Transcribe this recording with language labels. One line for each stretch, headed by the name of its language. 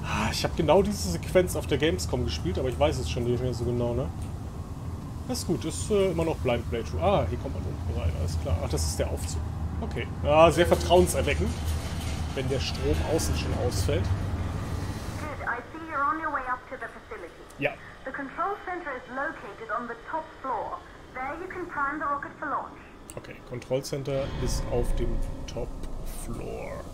German: Ich habe genau diese Sequenz auf der Gamescom gespielt, aber ich weiß es schon nicht mehr so genau, ne? Das ist gut, ist immer noch Blind Playthrough. Ah, hier kommt man unten rein, alles klar. Ach, das ist der Aufzug. Okay. Ah, sehr vertrauenserweckend, wenn der Strom außen schon ausfällt.
English: Good, I see you're on your way up to the facility.
German: Ja.
English: The control center is located on the top floor. There you can prime the rocket for launch.
German: Okay, Control Center ist auf dem Top Floor.